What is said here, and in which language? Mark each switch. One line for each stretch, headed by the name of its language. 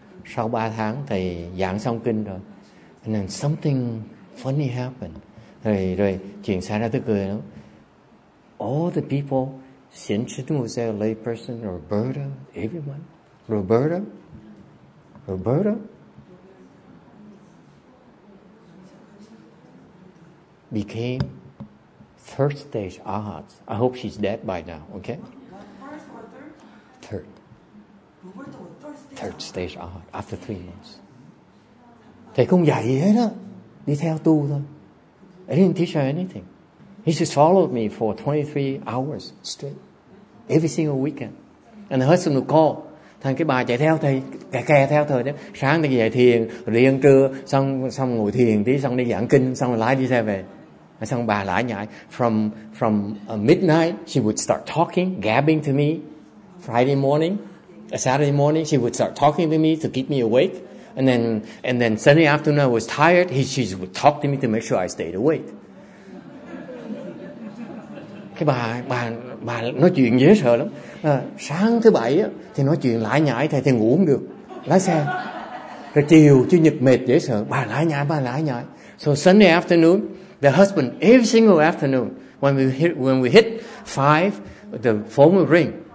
Vietnamese: Sau 3 tháng thầy giảng xong kinh rồi.
English: And then something funny happened.
Vietnamese: Rồi chuyện xảy ra tức cười lắm.
English: All the people, Xin Chí Tung was there, a lay person, Roberta, everyone. Roberta. Became third stage Arhats. I hope she's dead by now, okay? Third stage Arhat after 3 months.
Vietnamese: Thầy không dạy gì hết á, đi theo tu thôi.
English: I didn't teach her anything. He just followed me for 23 hours straight, every single weekend. And I heard some call.
Vietnamese: Thằng cái bà chạy theo thầy, kè theo thầy đó. Sáng thì dạy thiền, đi ăn trưa, xong ngồi thiền tí, xong đi giảng kinh, xong rồi lái đi xe về. Xong bà lại nhảy.
English: From midnight, she would start talking, gabbing to me. Friday morning, Saturday morning, she would start talking to me to keep me awake. And then Sunday afternoon, I was tired. She would talk to me to make sure I stayed awake.
Vietnamese: Cái bà nói chuyện dễ sợ lắm. Sáng thứ bảy thì nói chuyện lải nhải, thầy thì ngủ không được, lái xe. Rồi chiều chủ nhật mệt dễ sợ, bà lải nhải.
English: So Sunday afternoon, the husband, every single afternoon, when we hit 5, the phone would ring.